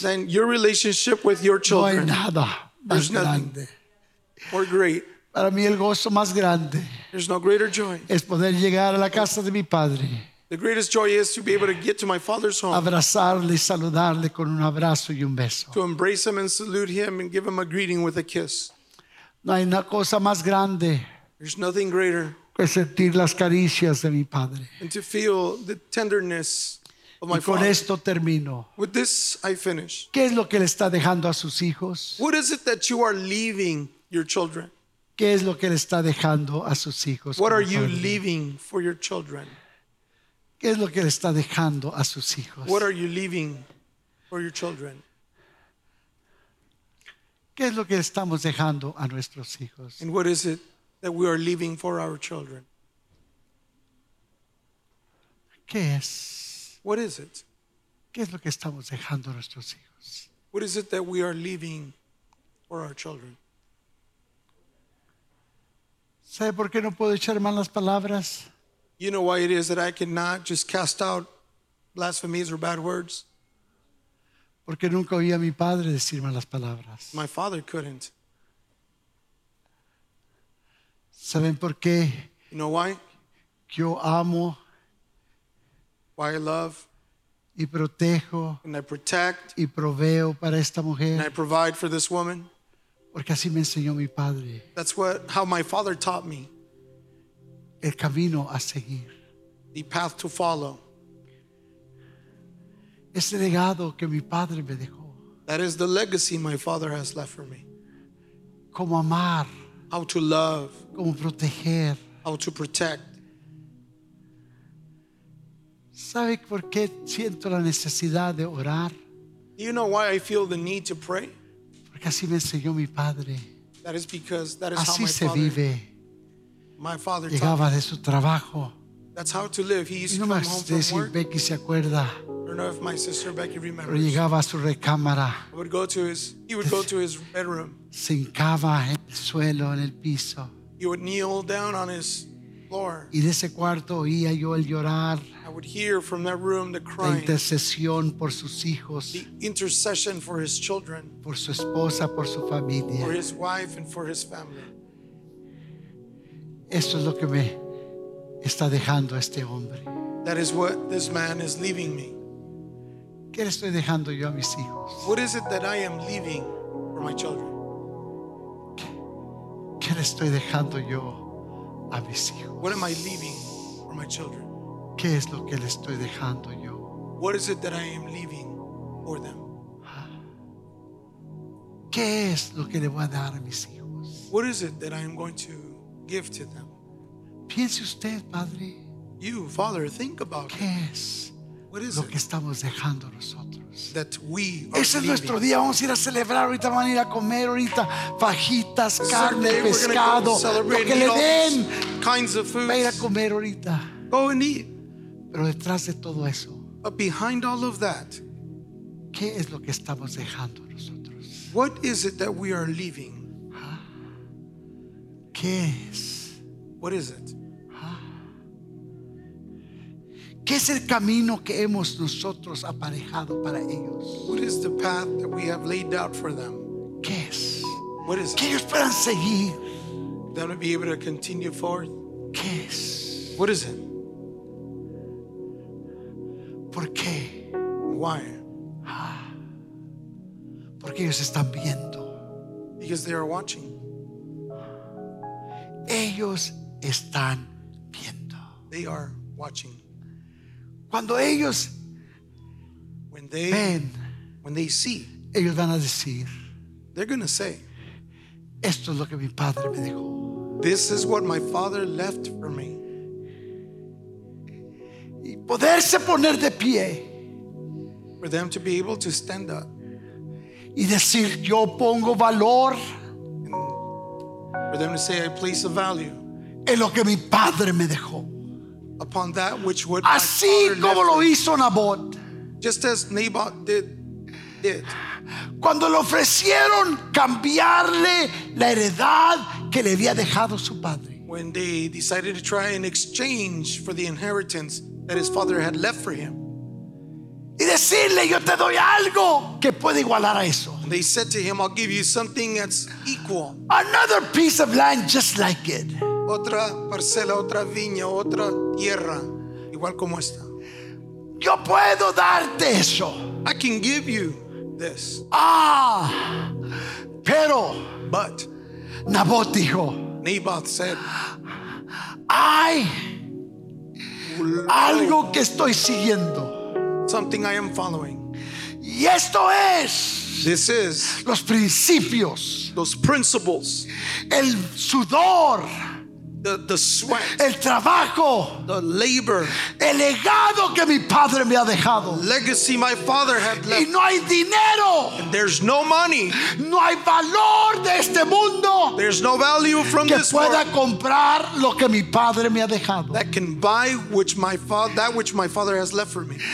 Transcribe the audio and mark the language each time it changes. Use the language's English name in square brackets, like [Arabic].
[English] Than your relationship with your children. [Spanish] No hay nada [English] there's [Spanish] más [English] nothing [Spanish] grande. [English] More great. [Spanish] Para mí el gozo más grande [English] there's no greater joy. [Spanish] Es poder llegar a la casa de mi padre. [English] The greatest joy is to be able to get to my father's home. [Spanish] Abrazarle, saludarle con un abrazo y un beso. [English] To embrace him and salute him and give him a greeting with a kiss. [Spanish] No hay una cosa más grande. [English] There's nothing greater. [Spanish] Que sentir las caricias de mi padre. [English] And to feel the tenderness of my [Spanish] y con [English] father. [Spanish] Esto termino. [English] With this I finish. [Spanish] ¿Qué es lo que le está dejando a sus hijos? [English] What is it that you are leaving your children? [Spanish] ¿Qué es lo que le está dejando a sus hijos? [English] What are you leaving for your children? [Spanish] ¿Qué es lo que le está dejando a sus hijos? [English] What are you leaving for your children? [Spanish] ¿Qué es lo que estamos dejando a nuestros hijos? [English] And what is it that we are leaving for our children? [Spanish] ¿Qué es? [English] What is it? [Spanish] ¿Qué es lo que estamos dejando a nuestros hijos? [English] What is it that we are leaving for our children? [Spanish] ¿Sabe por qué no puedo echar malas palabras? [English] You know why it is that I cannot just cast out blasphemies or bad words? [Spanish] Porque nunca oí a mi padre decir malas palabras. [English] My father couldn't. [Spanish] ¿Saben por qué? [English] You know why? [Spanish] Yo amo. [English] Why I love. [Spanish] Y protejo. [English] And I protect. [Spanish] Y proveo para esta mujer. [English] And I provide for this woman. [Spanish] Porque así me enseñó mi padre. [English] That's what how my father taught me. [Spanish] El camino a seguir. [English] The path to follow. [Spanish] Ese legado que mi padre me dejó. [English] That is the legacy my father has left for me. [Spanish] Cómo amar. [English] How to love. [Spanish] Cómo proteger. [English] How to protect. [Spanish] ¿Sabe por qué siento la necesidad de orar? [English] Do you know why I feel the need to pray? [Spanish] Porque así me enseñó mi padre. [English] That is because that is [Spanish] así [English] how my [Spanish] se [English] father [Spanish] vive. [English] My father [Spanish] llegaba de su trabajo. [English] That's how to live. He used to come home from work. [Spanish] Becky se acuerda. [English] I don't know if my sister Becky remembers. [Spanish] Pero llegaba a su recámara. [English] He would go to his bedroom. [Spanish] Se hincaba en el suelo, en el piso. [English] He would kneel down on his floor. [Spanish] Y de ese cuarto oía yo el llorar. [English] I would hear from that room the crying. [Spanish] La intercesión por sus hijos. [English] The intercession for his children. [Spanish] Por su esposa, por su familia. [English] For his wife and for his family. [Spanish] Eso es lo que me está dejando este hombre. [English] That is what this man is leaving me. [Spanish] ¿Qué le estoy dejando yo a mis hijos? [English] What is it that I am leaving for my children? [Spanish] ¿Qué le estoy dejando yo a mis hijos? [English] What am I leaving for my children? [Spanish] ¿Qué es lo que le estoy dejando yo? [English] What is it that I am leaving for them? [Spanish] ¿Qué es lo que le voy a dar a mis hijos? [English] What is it that I am going to give to them? [Spanish] Piense usted, padre. [English] You, father, think about [Spanish] ¿qué es [English] what is [Spanish] lo [English] it [Spanish] que estamos dejando nosotros? [English] That we are [Spanish] ese es nuestro día. Vamos a ir a celebrar ahorita. Vamos a ir a comer ahorita. Fajitas, carne, pescado. Lo que le den. [English] Kinds of foods. [Spanish] Va a ir a comer ahorita. [English] Go and eat. [Spanish] Pero detrás de todo eso. [English] But behind all of that. [Spanish] ¿Qué es lo que estamos dejando nosotros? [English] What is it that we are leaving? [Spanish] ¿Qué es? [English] What is it? [Spanish] ¿Qué es el camino que hemos nosotros aparejado para ellos? [English] What is the path that we have laid out for them? [Spanish] ¿Qué es? [English] What is it? [Spanish] ¿Que ellos puedan seguir? [English] That we'll be able to continue forth? [Spanish] ¿Qué es? [English] What is it? [Spanish] ¿Por qué? [English] Why? [Spanish] Porque ellos están viendo. [English] Because they are watching. [Spanish] Ellos están viendo. [English] They are watching. [Spanish] Cuando ellos [English] when they see, [Spanish] ellos van a decir, [English] they're going to say, [Spanish] esto es lo que mi padre me dijo. [English] This is what my father left for me. [Spanish] Y poderse poner de pie. [English] For them to be able to stand up. [Spanish] Y decir, yo pongo valor. [English] And for them to say, I place a value. [Spanish] En lo que mi padre me dejó. [English] Upon that which would. [Spanish] Así como lo hizo Nabot. [English] Just as Naboth did. [Spanish] Cuando le ofrecieron cambiarle la heredad que le había dejado su padre. [English] When they decided to try and exchange for the inheritance that his father had left for him. [Spanish] Y decirle, yo te doy algo que puede igualar a eso. [English] And they said to him, I'll give you something that's equal. Another piece of land just like it. [Spanish] Otra parcela, otra viña, otra tierra, igual como esta. Yo puedo darte eso. [English] I can give you this. [Spanish] Ah, pero. [English] But. [Spanish] Naboth dijo. [English] Naboth said. [Spanish] Hay algo que estoy siguiendo. [English] Something I am following. [Spanish] Y esto es. [English] This is. [Spanish] Los principios. [English] Those principles. [Spanish] El sudor. [English] The sweat. [Spanish] El trabajo. [English] The labor. [Spanish] El legado que mi padre me ha dejado. [English] Legacy my father had left. [Spanish] Y no hay dinero. [English] And there's no money. [Spanish] No hay valor de este mundo. [English] There's no value from [Spanish] que [English] this [Spanish] pueda [English] world. [Spanish] Comprar lo que mi padre me ha dejado. [English] That can buy that which my father has left for me.